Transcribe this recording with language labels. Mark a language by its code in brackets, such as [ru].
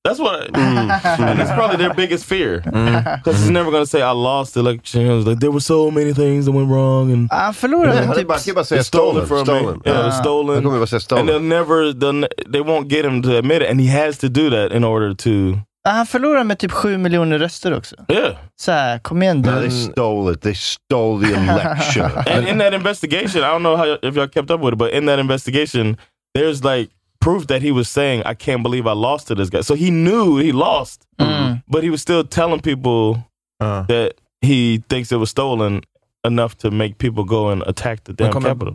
[en] That's what, and it's probably their biggest fear, because he's never going to say, I lost the election. Like, there were so many things that went wrong, and [sv] I förlorade, [en] and typ, stolen. Yeah, stolen. And they won't get him to admit it, and he has to do that in order to... [sv] Han förlorade med typ 7 miljoner röster också. [en] Yeah. [sv] Så här, kom igen. [en] Yeah, they stole it. They stole the election. And in that investigation, I don't know how if y'all kept up with it, but in that investigation, there's like proof that he was saying, I can't believe I lost to this guy. So he knew he lost, but he was still telling people that he thinks it was stolen enough to make people go and attack the damn capital.